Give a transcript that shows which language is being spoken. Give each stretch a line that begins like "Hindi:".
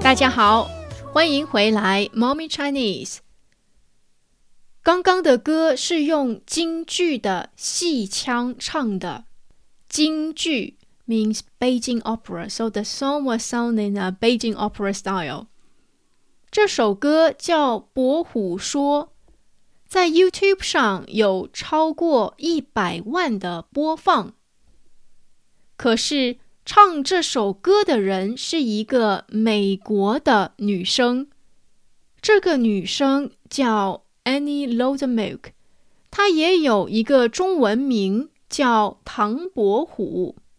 Chinese: 好，欢迎回来 Mommy Chinese。刚刚的歌是用京剧的戏腔唱的，京剧
English: means Beijing Opera, so the song was sung in a Beijing Opera style。
Chinese: 这首歌叫伯虎说，在 YouTube 上有超过100万的播放，可是唱这首歌的人是一个美国的女生，这个女生叫 Annie Loudermilk, 她也有一个中文名叫唐伯虎。